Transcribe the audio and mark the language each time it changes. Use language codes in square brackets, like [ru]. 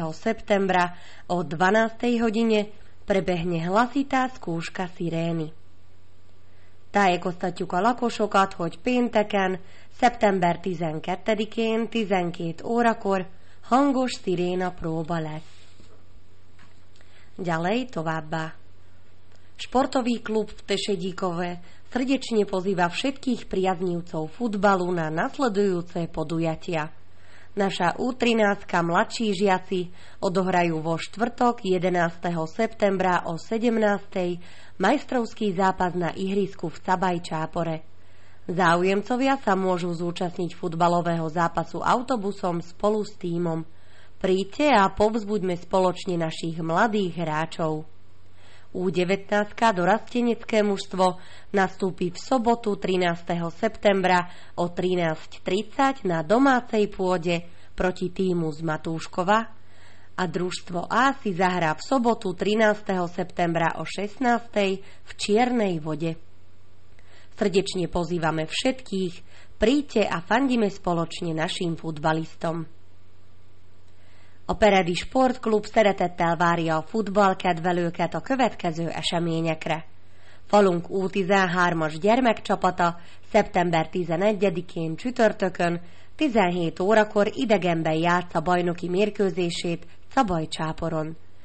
[sk] septembra o 12. hodine prebehne hlasitá skúška sirény. [hu] Tájékoztatjuk a lakosokat, hogy pénteken, szeptember 12-én 12 órakor hangos siréna próba lesz. [sk] Ďalej [hu] továbbá. [sk] Športový klub v Tešedíkove srdečne pozýva všetkých priaznívcov futbalu na nasledujúce podujatia. Naša U13-ka mladší žiaci odohrajú vo štvrtok 11. septembra o 17. majstrovský zápas na ihrisku v Cabaj Čápore. Záujemcovia sa môžu zúčastniť futbalového zápasu autobusom spolu s tímom. Príďte a povzbuďme spoločne našich mladých hráčov. U19-ka dorastenecké mužstvo nastúpi v sobotu 13. septembra o 13.30 na domácej pôde proti týmu z Matúškova a družstvo A si zahrá v sobotu 13. septembra o 16.00 v Čiernej vode. Srdečne pozývame všetkých, príďte a fandime spoločne našim futbalistom. [hu] Operedi Sportklub szeretettel várja a futballkedvelőket a következő eseményekre. Falunk U13-as gyermekcsapata szeptember 11-én csütörtökön 17 órakor idegenben játsza bajnoki mérkőzését Cabaj Csáporon.